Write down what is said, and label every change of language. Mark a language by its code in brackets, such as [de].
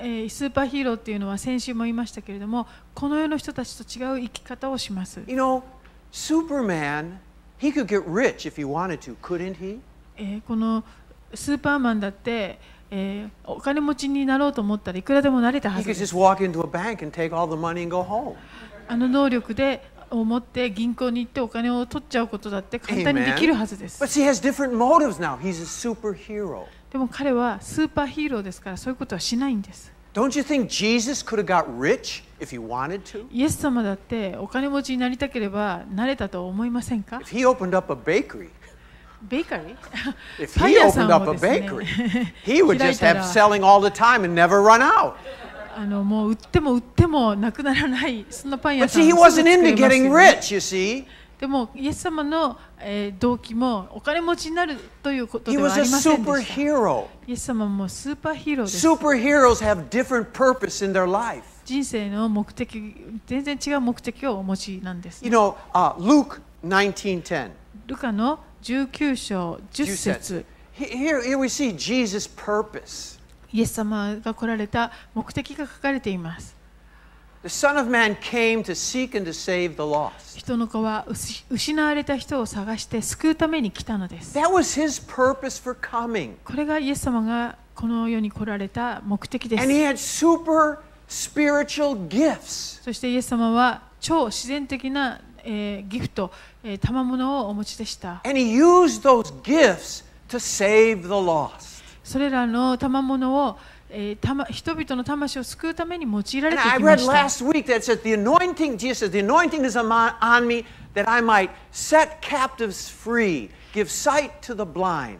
[ja] スーパーヒーローっていうのは先週も言いましたけれども、この世の人たちと違う生き方をします。 [en] You know, Superman, he could get rich if he wanted to, couldn't he? [ja] このスーパーマンだって、お金持ちになろうと思ったらいくらでもなれたはずです。 [en] He could just walk into a bank and take all the money and go home. [ja] あの能力で持って銀行に行ってお金を取っちゃうことだって簡単にできるはずです。 [en] Amen. But he has different motives now. He's a superhero. [ja] でも彼はスーパーヒーローですからそういうことはしないんです。 [en] Don't you think Jesus could have got rich if he wanted to? [ja] イエス様だってお金持ちになりたければなれたと思いませんか? [en] If he opened up a bakery, bakery? If he opened up a bakery, he would just have selling all the time and never run out. [ja] もう売っても売ってもなくならないそのパン屋さん。 [en] But see, he wasn't into getting rich, you see. [ja] でもイエス様の動機もお金持ちになるということではありませんでした。イエス様もスーパーヒーローです。 [en] Superheroes have different purpose in their life. [ja] 人生の目的、全然違う目的をお持ちなんです、ね。 [en] You know, Luke 19:10. [ja] ルカの19章10節。 [en] Here we see Jesus' purpose. [ja] イエス様が来られた目的が書かれています。 [en] The Son of Man came to seek and to save the lost. [ja] 人の子は失われた人を探して救うために来たのです。 [en] That was his purpose for coming. [ja] これがイエス様がこの世に来られた目的です。 [en] And he had super spiritual gifts. [ja] そしてイエス様は超自然的なギフト、賜物をお持ちでした。 [en] And he used those gifts to save the lost. [ja] それらの賜物を人々の魂を救うために用いられてきました。 [en] And I read last week that said the anointing, Jesus said, the anointing is on me that I might set captives free, give sight to the blind.